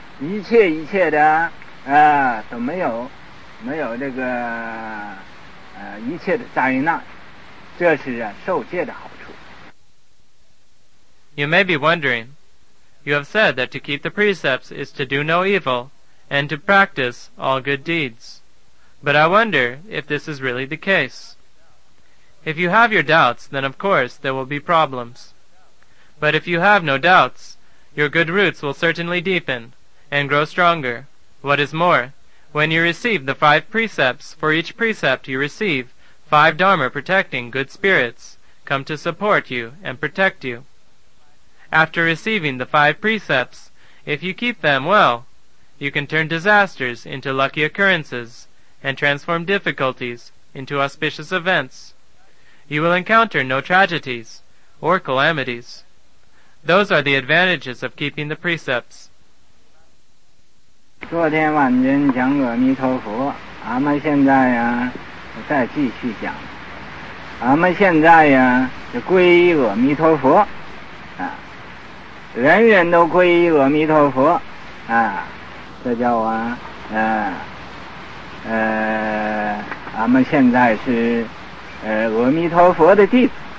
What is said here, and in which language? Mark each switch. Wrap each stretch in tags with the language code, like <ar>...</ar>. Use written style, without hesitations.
<zh>一切一切的啊，都没有这个一切的灾难，这是啊受戒的好处。</zh> <en>You may be wondering, you have said that to keep the precepts is to do no evil and to practice all good deeds, but I wonder if this is really the case. If you have your doubts, then of course there will be problems. But if you have no doubts, your good roots will certainly deepen. And grow stronger. What is more, when you receive the five precepts, for each precept you receive, five dharma protecting good spirits come to support you and protect you. After receiving the five precepts, if you keep them well, you can turn disasters into lucky occurrences and transform difficulties into auspicious events. You will encounter no tragedies or calamities. Those are the advantages of keeping the precepts.</en> <zh>昨天晚间讲阿弥陀佛，俺们现在呀再继续讲。俺们现在呀就皈依阿弥陀佛啊，人人都皈依阿弥陀佛啊，这叫啊俺们现在是阿弥陀佛的弟子。</zh>